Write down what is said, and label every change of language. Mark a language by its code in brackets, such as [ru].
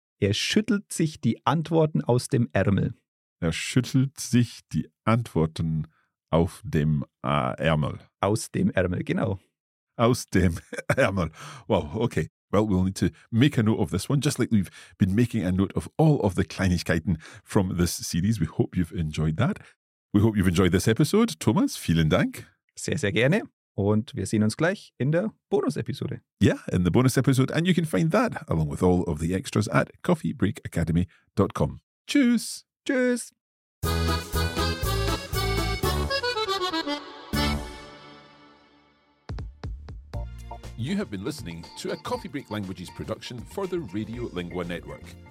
[de] Er schüttelt sich die Antworten aus dem Ärmel. Er schüttelt sich die Antworten auf dem Ärmel. Aus dem Ärmel, genau. Aus dem Ärmel. Wow, okay. [en] Well, we'll need to make a note of this one, just like we've been making a note of all of the Kleinigkeiten from this series. We hope you've enjoyed that. We hope you've enjoyed this episode. [de] Thomas, vielen Dank. Sehr, sehr gerne. Und wir sehen uns gleich in der Bonus-Episode. [en] Yeah, in the bonus episode. And you can find that, along with all of the extras, at coffeebreakacademy.com. [de] Tschüss. Tschüss. [en] You have been listening to a Coffee Break Languages production for the Radio Lingua Network.